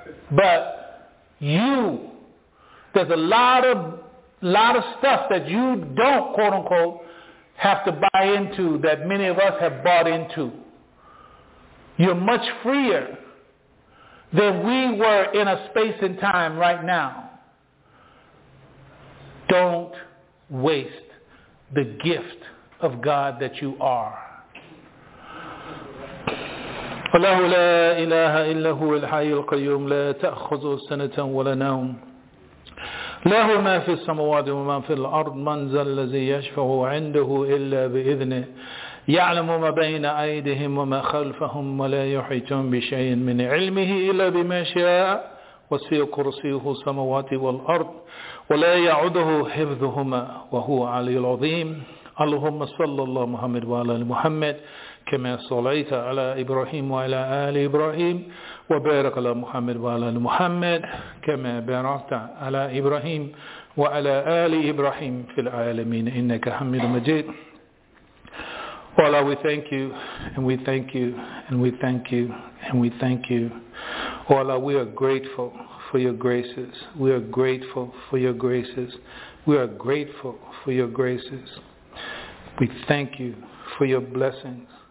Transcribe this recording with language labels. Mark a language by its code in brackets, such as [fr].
[en] But you, there's a lot of stuff that you don't, quote unquote, have to buy into that many of us have bought into. You're much freer than we were in a space and time right now. Don't waste the gift of God that you are. [ar] فله لا إله إلا هو الحي القيوم لا تأخذه سنة ولا نوم له ما في السماوات وما في الأرض من ذا الذي يشفع عنده إلا بإذنه يعلم ما بين أيديهم وما خلفهم ولا يحيطون بشيء من علمه إلا بما شاء وسع كرسيه السماوات والأرض ولا يعوده حفظهما وهو العلي العظيم اللهم صل على محمد وعلى محمد كما صليت على إبراهيم وعلى آل إبراهيم وبارك على محمد وعلى محمد كما باركت على إبراهيم وعلى آل إبراهيم في العالمين إنك حميد مجيد. [en] Allah, we thank you, and we thank you, and we thank you, and we thank you. Allah, we are grateful for your graces. We are grateful for your graces. We are grateful for your graces. We thank you for your blessings.